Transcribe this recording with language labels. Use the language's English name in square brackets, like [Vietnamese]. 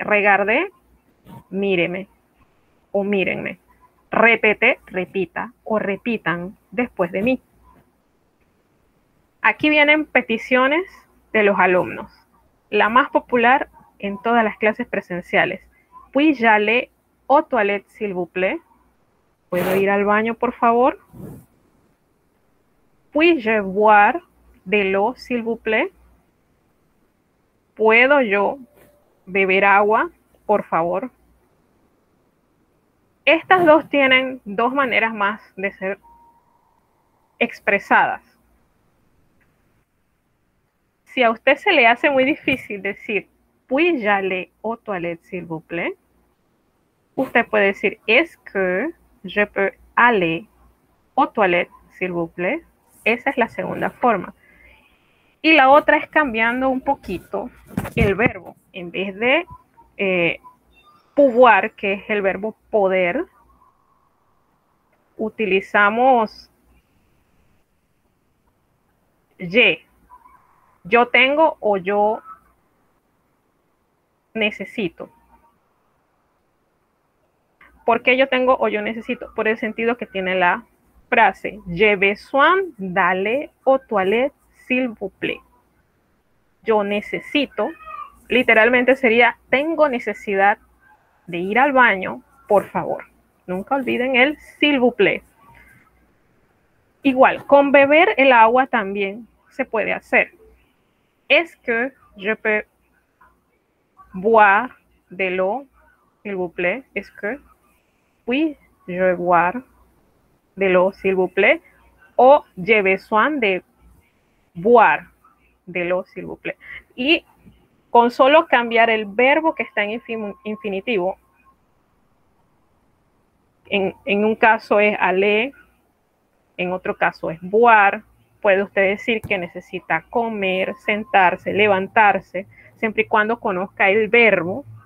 [French] Regardez, [Spanish] míreme o mírenme. [French] Répété, [Spanish] repita o repitan después de mí. Aquí vienen peticiones de los alumnos. La más popular en todas las clases presenciales. [French] Puis-je aller aux toilettes, s'il vous plaît? [Spanish] ¿Puedo ir al baño, por favor? [French] Puis-je boire de l'eau, s'il vous plaît? [Spanish] ¿Puedo yo beber agua, por favor? Estas dos tienen dos maneras más de ser expresadas. Si a usted se le hace muy difícil decir [French] puis-je aller aux toilettes, s'il vous plaît, [Spanish] usted puede decir [French] est-ce que je peux aller aux toilettes, s'il vous plaît. [Spanish] Esa es la segunda forma. Y la otra es cambiando un poquito el verbo. En vez de pouvoir, que es el verbo poder, utilizamos je. Yo tengo o yo necesito. ¿Por qué yo tengo o yo necesito? Por el sentido que tiene la frase. [French] J'ai besoin d'aller aux toilettes, s'il vous plaît. [Spanish] Yo necesito, literalmente sería, tengo necesidad de ir al baño, por favor. Nunca olviden el [French] s'il vous plaît. [Spanish] Igual, con beber el agua también se puede hacer. [French] Est-ce que je peux boire de l'eau, s'il vous plaît? Est-ce que puis-je boire de l'eau, s'il vous plaît? O j'ai besoin de boire de l'eau, s'il vous plaît. [Spanish] Y con solo cambiar el verbo que está en infinitivo, en un caso es aller, en otro caso es boire. Puede usted decir que necesita comer, sentarse, levantarse, siempre y cuando conozca el verbo.